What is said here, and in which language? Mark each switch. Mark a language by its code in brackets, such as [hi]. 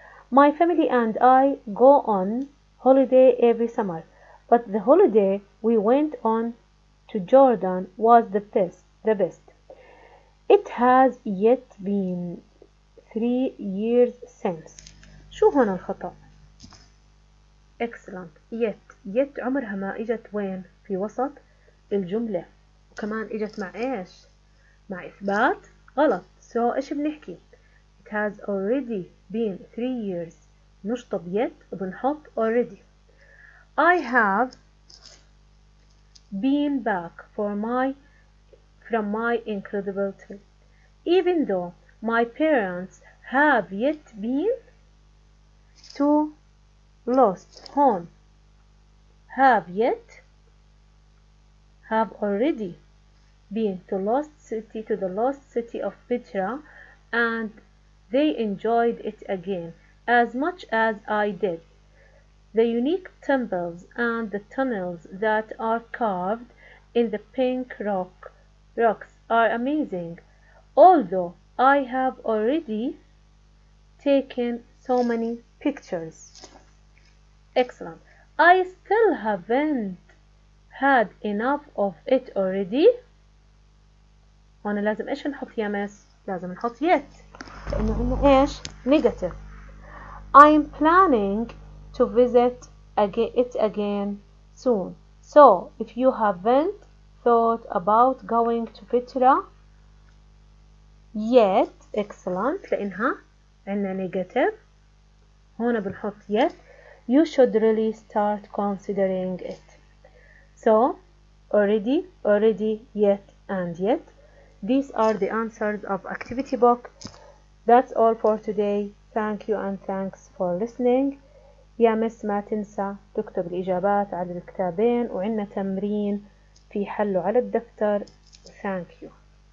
[en] My family and I go on holiday every summer, but the holiday we went on to Jordan was the best. It has yet been 3 years since. [ar] شو هون الخطأ؟ [en] Excellent. Yet. [ar] Yet عمرها ما إجت وين؟ في وسط الجملة. وكمان إجت مع إيش؟ مع إثبات؟ غلط. [en] So [ar] إيش بنحكي؟ [en] It has already been 3 years. [ar] نشطب [en] yet [ar] وبنحط [en] already. I have been back from my incredible trip. Even though my parents have yet been to lost home. Have yet, have already been to lost city, to the lost city of Petra, and they enjoyed it again as much as I did. The unique temples and the tunnels that are carved in the pink rocks are amazing. Although I have already taken so many pictures. Excellent. I still haven't had enough of it already. [ar] هون لازم ايش نحط يا مس؟ لازم نحط [en] yet. [ar] لانه هم ايش؟ نيجاتيف. [en] I'm planning to visit it again soon. So if you haven't thought about going to Petra yet, excellent. [ar] لانها عندنا نيجاتيف. هون بنحط yet. [en] You should really start considering it. So, already, yet. These are the answers of activity book. That's all for today. Thank you and thanks for listening. [ar] يا مس ما تنسى تكتب الإجابات على الكتابين وعندنا تمرين في حله على الدفتر. [en] Thank you.